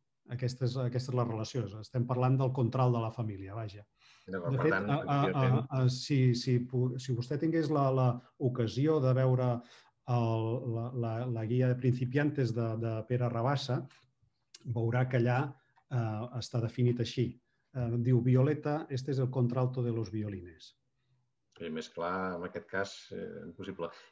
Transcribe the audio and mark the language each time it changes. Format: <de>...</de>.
<ca>Aquesta és la relació. Estem parlant del contralt de la família, vaja. De fet, tant, si vostè tingués l'ocasió de veure la guia de principiantes de Pere Rabassa, veurà que allà està definit així. Diu,</ca> <es>Violeta, este es el contralto de los violines.</es> <ca>I més clar, en aquest cas, impossible.</ca>